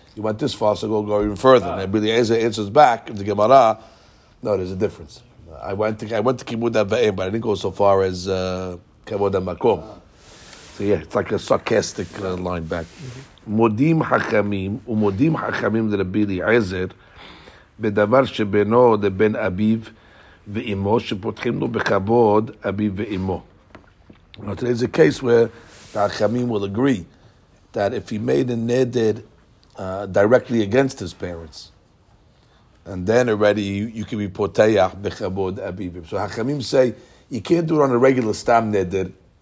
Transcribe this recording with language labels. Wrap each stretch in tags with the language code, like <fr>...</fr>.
<en>You went this far, so go even further. And Bili Ezer answers back in the Gemara, no, there's a difference. I went to Kibud HaVeim, but I didn't go so far as Kibud HaMakom. So yeah, it's like a sarcastic line back.</en> <he>Modim Hachamim, Umodim Hachamim to Bili Ezer, בדבר שבינו לבין אביו ואימו, שפותחים לו בכבוד אביו ואימו.</he> <en>Now today is a case where the Hachamim will agree that if he made a neder directly against his parents, and then already you can be poteach</en> <he>בכבוד אביו.</he> <en>So Hachamim say, you can't do it on a regular stam neder.</en>